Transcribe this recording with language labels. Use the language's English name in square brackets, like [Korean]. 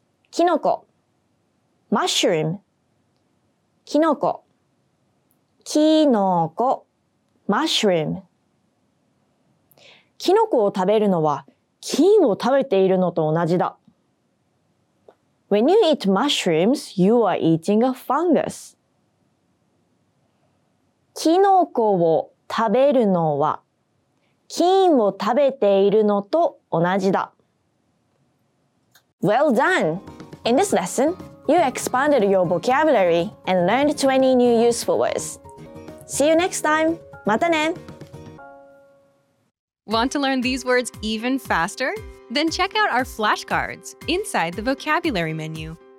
[Japanese] キノコ、 [English] mushroom。 [Japanese] キノコ、キノコ、 [English] mushroom。 [Japanese] キノコを食べるのは菌を食べているのと同じだ。 [English] When you eat mushrooms, you are eating a fungus. [Japanese] キノコを食べるのは菌を食べているのと同じだ。 [English] Well done! In this lesson, you expanded your vocabulary and learned 20 new useful words. See you next time! [Japanese] またね! [English] Want to learn these words even faster? Then check out our flashcards inside the vocabulary menu.